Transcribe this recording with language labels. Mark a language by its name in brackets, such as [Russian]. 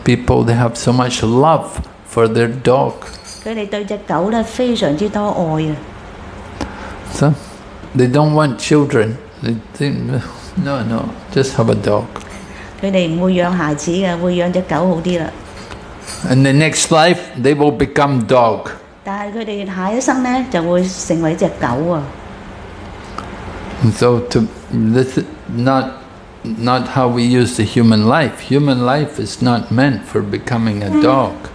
[English] people, they have so much love for their dog. [Cantonese] 他們對隻狗呢,非常之多愛啊。So, [English] they don't want children. They think, no, just have a dog. [Cantonese] 他們不會養孩子的,會養隻狗好些了。 [English] In the next life, they will become dog. [Cantonese] 但是他們下一生就會成為隻狗。 So, [English] this is not how we use the human life. Human life is not meant for becoming a dog.